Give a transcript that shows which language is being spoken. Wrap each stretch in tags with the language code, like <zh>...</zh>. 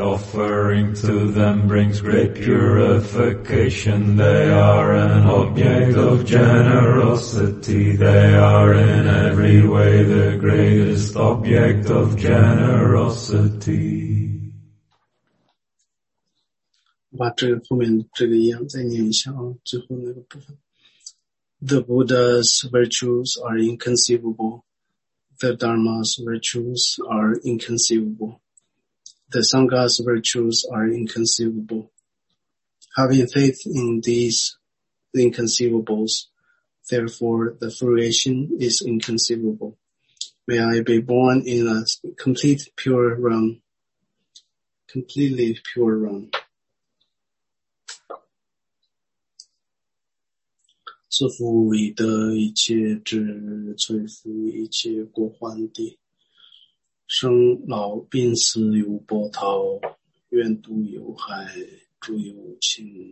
<en>Offering to them brings great purification. They are an object of generosity. They are in every way the greatest object of generosity.</en> <zh>把这个后面这个一样再念一下啊，最后那个部分。</zh> <en>The Buddha's virtues are inconceivable. The Dharma's virtues are inconceivable. The Sangha's virtues are inconceivable. Having faith in these inconceivables, therefore the fruition is inconceivable. May I be born in a complete pure realm, completely pure realm.</en> <zh>自缚以得一切智，摧伏一切过患地，生老病死有波涛，愿度有海，诸有情。</zh>